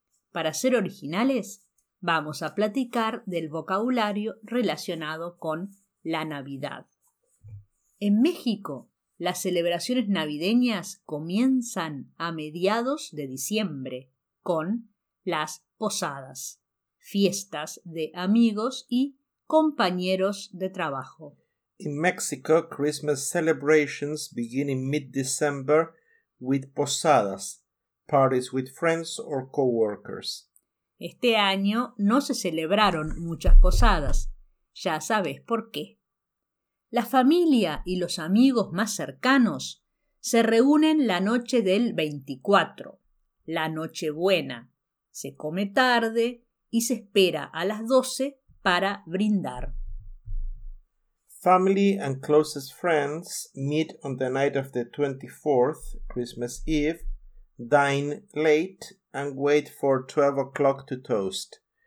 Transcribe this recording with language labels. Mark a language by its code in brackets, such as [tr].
[es] Para ser originales, vamos a platicar del vocabulario relacionado con la Navidad. En México, las celebraciones navideñas comienzan a mediados de diciembre con las posadas, fiestas de amigos y compañeros de trabajo. [en] In Mexico, Christmas celebrations begin in mid-December with posadas, parties with friends or co-workers. [es] Este año no se celebraron muchas posadas. Ya sabes por qué. La familia y los amigos más cercanos se reúnen la noche del 24, la Nochebuena. Se come tarde y se espera a las 12 para brindar. [en] Family and closest friends meet on the night of the 24th, Christmas Eve, dine late and wait for 12 o'clock to toast.